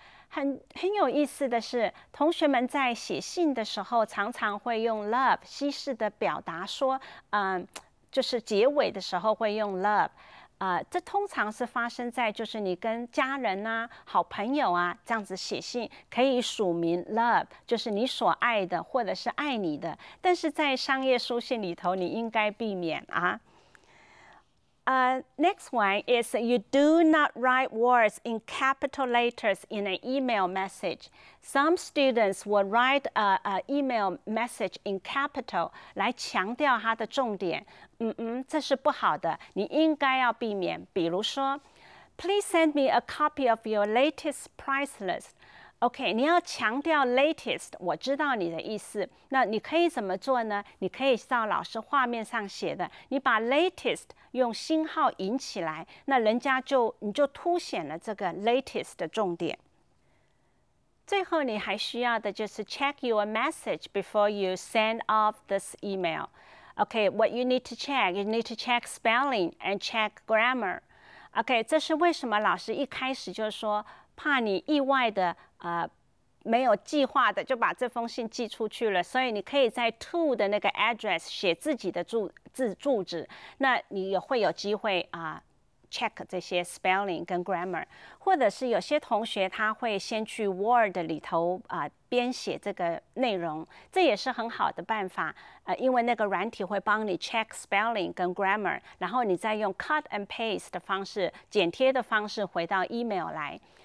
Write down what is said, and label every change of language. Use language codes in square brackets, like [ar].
[zh] 很有意思的是，同学们在写信的时候，常常会用 love 稀释的表达说，就是结尾的时候会用 love，这通常是发生在就是你跟家人啊、好朋友啊这样子写信，可以署名 love，就是你所爱的或者是爱你的，但是在商业书信里头，你应该避免啊。 [en] Next one is you do not write words in capital letters in an email message. Some students will write a email message in capital [zh] 来强调它的重点。 [en] 这是不好的，你应该要避免。比如说，Please send me a copy of your latest price list. [zh] OK，你要强调 latest，我知道你的意思。那你可以怎么做呢？你可以照老师画面上写的，你把 latest 用星号引起来，那人家就你就凸显了这个 latest 的重点。最后你还需要的就是 [en] check your message before you send off this email. OK，what you need to check, you need to check spelling and check grammar. [zh] OK，这是为什么老师一开始就说怕你意外的。没有计划的就把这封信寄出去了，所以你可以在 to 的那个 address 写自己的住址，那你也会有机会啊。 check 这些 spelling 跟 grammar， 或者是有些同学他会先去 Word 里头啊编写这个内容，这也是很好的办法，因为那个软体会帮你 check spelling 跟 grammar， 然后你再用 [en] cut and paste [zh] 的方式，剪贴的方式回到 email 来，